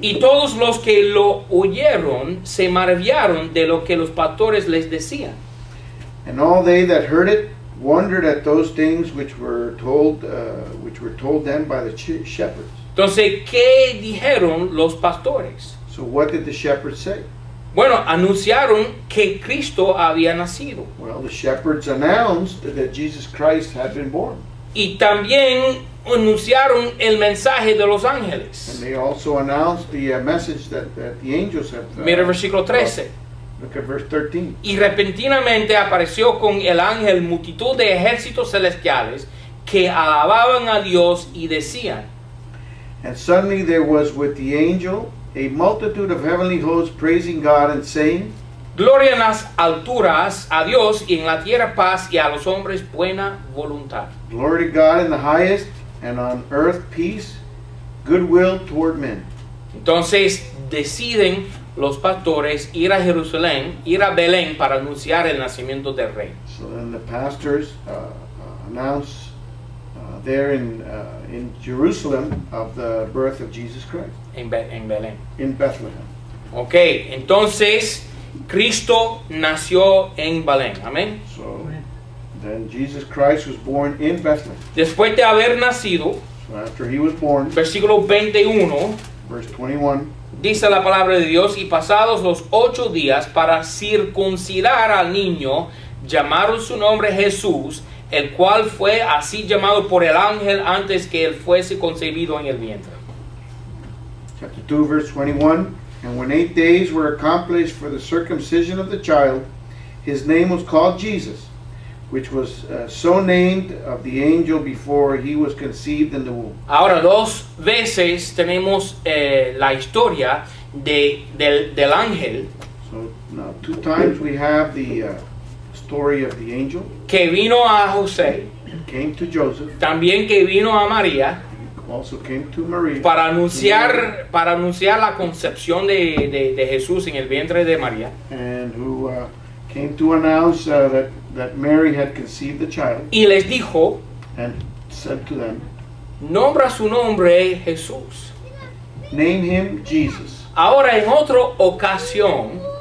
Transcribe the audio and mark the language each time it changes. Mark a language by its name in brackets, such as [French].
[Spanish] Y todos los que lo oyeron se maravillaron de lo que los pastores les decían. [English] And all they that heard it wondered at those things which were told them by the shepherds. [Spanish] Entonces, ¿qué dijeron los pastores? [English] So what did the shepherds say? [Spanish] Bueno, anunciaron que Cristo había nacido. [English] Well, the shepherds announced that Jesus Christ had been born. [Spanish] Y también anunciaron el mensaje de los ángeles. [English] And they also announced the message that the angels had. [Spanish] Mira el versículo 13. [English] Look at verse 13. [Spanish] Y repentinamente apareció con el ángel multitud de ejércitos celestiales que alababan a Dios y decían. [English] And suddenly there was with the angel a multitude of heavenly hosts praising God and saying. [Spanish] Gloria en las alturas a Dios y en la tierra paz y a los hombres buena voluntad. [English] Glory to God in the highest. And on earth peace, goodwill toward men. [Spanish] Entonces deciden los pastores ir a Jerusalén, ir a Belén para anunciar el nacimiento del rey. [English] So then the pastors announce there in Jerusalem of the birth of Jesus Christ. [Spanish] En Belén. [English] In Bethlehem. [Spanish] Okay, entonces Cristo nació en Belén. Amén. [English] So, then Jesus Christ was born in Bethlehem. [Spanish] Después de haber nacido. [English] So after he was born. [Spanish] Versículo 21. [English] Verse 21. [Spanish] Dice la palabra de Dios. Y pasados los 8 días para circuncidar al niño, llamaron su nombre Jesús, el cual fue así llamado por el ángel antes que él fuese concebido en el vientre. [English] Chapter 2, verse 21. And when 8 days were accomplished for the circumcision of the child, his name was called Jesus, which was so named of the angel before he was conceived in the womb. [Spanish] Ahora dos veces tenemos la historia del ángel. [English] So now 2 times we have the story of the angel. [Spanish] Que vino a José. [English] Came to Joseph. [Spanish] También que vino a María. [English] Also came to Maria. [Spanish] Para anunciar la concepción de Jesús en el vientre de María. [English] And who came to announce that Mary had conceived the child. [Spanish] Y les dijo, [English] and said to them, [Spanish] nombra su nombre Jesús. [English] Name him Jesus. [Spanish] Ahora en otra ocasión.